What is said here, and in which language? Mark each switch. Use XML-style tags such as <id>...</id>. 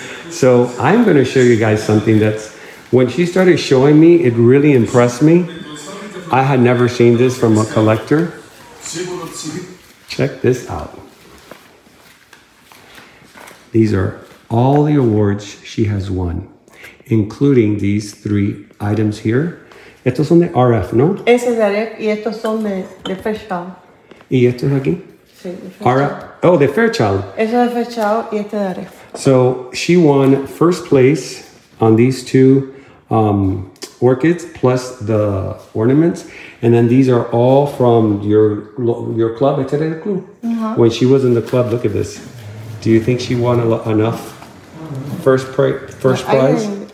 <en>So I'm going to show you guys something that's, when she started showing me, it really impressed me. I had never seen this from a collector. Check this out. These are all the awards she has won, including these three items here.</en> <es>Estos son de RF, ¿no? Ese es de RF y estos son de Fairchild. ¿Y estos aquí? Sí, de RF. Oh, de Fairchild. Ese es de Fairchild y este de RF.</es> <en>So she won first place on these two orchids plus the ornaments. And then these are all from your club. I said it. Uh-huh. When she was in the club, look at this. Do you think she won enough first prize?</en>